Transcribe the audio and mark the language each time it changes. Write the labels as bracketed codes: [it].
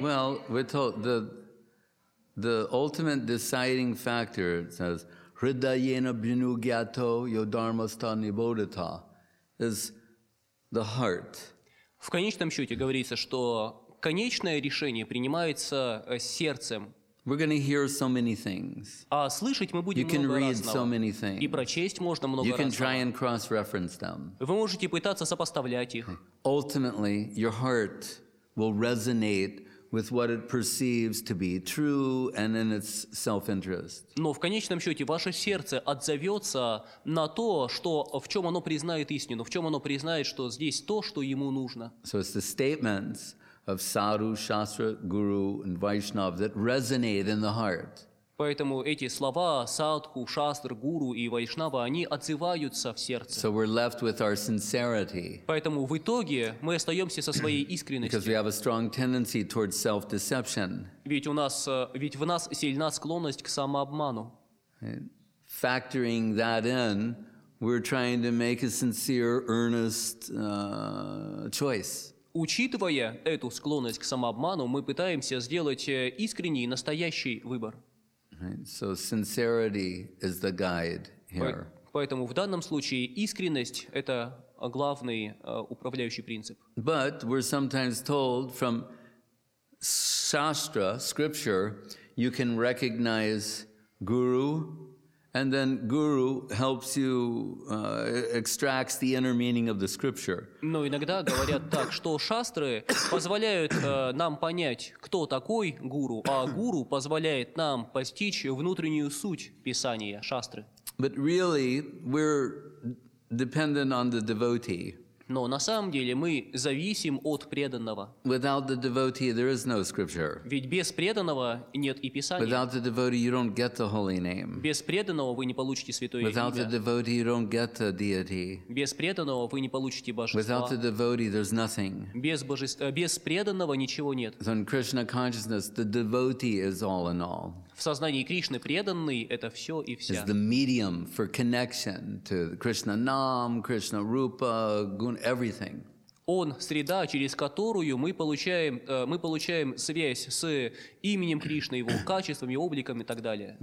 [en] Well, we're told the ultimate deciding factor, it says, [sa] Hridayena binu gyato yo dharmastha nibodhita, [en] is the heart. [ru] В конечном счете говорится, что конечное решение принимается сердцем. [en] We're going to hear so many things. [ru] А слышать мы будем [en] you can [ru] много [en] read [ru] разного. [en] So many things. [ru] И прочесть можно много [en] you can [ru] разного. [en] Try and cross-reference them. [ru] Вы можете пытаться сопоставлять их. [en] Ultimately, your heart will resonate with what it perceives to be true and in its self-interest. [ru] Но в конечном счете ваше сердце отзовется на то, что в чем оно признает истину, в чем оно признает, что здесь то, что ему нужно. [en] So it's the statements of Sadhu, Shastra, Guru, and Vaishnav that resonate in the heart. [ru] Поэтому эти слова Садху, Шастр, Гуру и Вайшнава, они отзываются в сердце. [en] So we're left with our sincerity. [ru] Поэтому в итоге мы остаемся со своей искренностью. [en] Because we have a strong tendency towards self-deception. [ru] Ведь в нас сильна склонность к самообману. [en] Factoring that in, we're trying to make a sincere, earnest choice. [ru] Учитывая эту склонность к самообману, мы пытаемся сделать искренний, настоящий выбор. [en] Right. So sincerity is the guide here. [ru] Поэтому в данном случае искренность – это главный управляющий принцип. [en] But we're sometimes told from Shastra, scripture, you can recognize Guru, and then Guru helps you extracts the inner meaning of the scripture. [ru] Но иногда говорят так, что шастры позволяют нам понять, кто такой гуру, а гуру позволяет нам постичь внутреннюю суть писания шастры. [en] But really, we're dependent on the devotee. [ru] Но на самом деле мы зависим от преданного. [en] Without the devotee, there is no scripture. [ru] Ведь без преданного нет и Писания. [en] Without the devotee, you don't get the holy name. [ru] Без преданного вы не получите святое имя. [en] Without the devotee, you don't get the deity. [ru] Без преданного вы не получите божество. [en] Without the devotee, there's nothing. [ru] Без преданного ничего нет. [en] So in Krishna consciousness, the devotee is all in all. [ru] В сознании Кришны преданный — это все и вся. [en] Is the medium for connection to Krishna Nam, Krishna Rupa, Guna, everything. [ru] Он — среда, через которую мы получаем связь с именем Кришны, его качеством, его обликом и так далее.